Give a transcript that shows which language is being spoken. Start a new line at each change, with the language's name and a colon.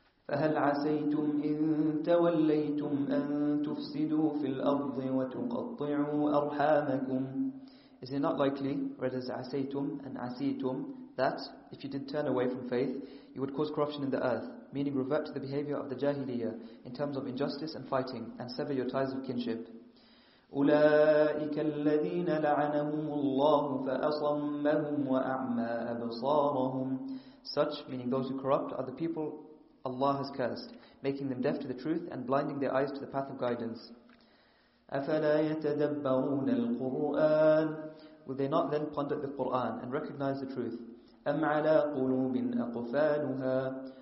Arabic: فَهَلْ عَسَيْتُمْ إِن تَوَلَّيْتُمْ أَن تُفْسِدُوا فِي الْأَرْضِ وَتُقَطِّعُوا أَرْحَامَكُمْ.
English: Is it not likely, or it is عَسَيْتُمْ and عَسِيتُمْ, that if you did turn away from faith, you would cause corruption in the earth, meaning revert to the behavior of the jahiliyyah in terms of injustice and fighting, and sever your ties of kinship.
Arabic: أولئك الذين لعنهم الله فأصمهم وأعمى أبصارهم.
English: Such, meaning those who corrupt, are the people Allah has cursed, making them deaf to the truth and blinding their eyes to the path of guidance.
Arabic: أفلا يتدبرون القرآن.
English: Will they not then ponder the Quran and recognize the truth?
Arabic: أم على قلوب أقفالها.